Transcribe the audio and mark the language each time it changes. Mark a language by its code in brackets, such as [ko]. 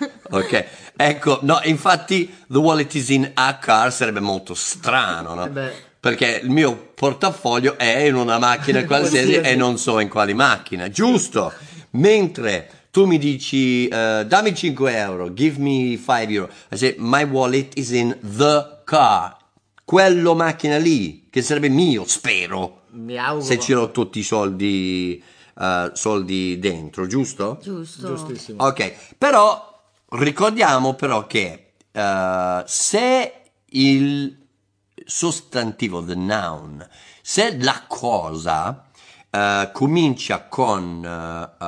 [it] Ok, ecco, no, infatti [en] the wallet is in a car [it] sarebbe molto strano, no? Perché il mio portafoglio è in una macchina qualsiasi e non so in quali macchine, giusto? Mentre... Tu mi dici, dammi 5 euro, [en] give me 5 euro. I say, my wallet is in the car. [it] Quello macchina lì, che sarebbe mio, spero. Mi auguro. Se ce l'ho tutti i soldi, soldi dentro, giusto? Giusto. Giustissimo. Ok, però ricordiamo però che se il sostantivo, [en] the noun, [it] se la cosa comincia con...